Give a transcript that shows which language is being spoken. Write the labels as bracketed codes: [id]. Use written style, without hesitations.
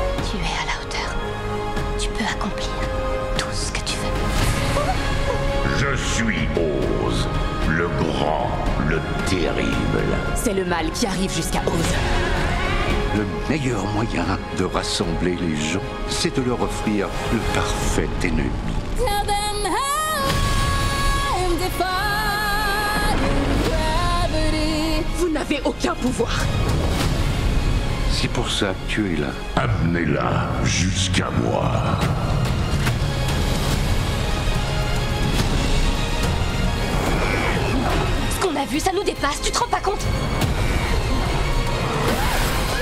[fr] Tu es à la hauteur. Tu peux accomplir tout ce que tu veux. Je suis Oz, le grand, le terrible. C'est le mal qui arrive jusqu'à Oz. Le meilleur moyen de rassembler les gens, c'est de leur offrir le parfait ennemi. [en] Tell them how I'm defying gravity. [fr] Vous n'avez aucun pouvoir. C'est pour ça que tu es là. Amenez-la jusqu'à moi. Ce qu'on a vu, ça nous dépasse, tu te rends pas compte ?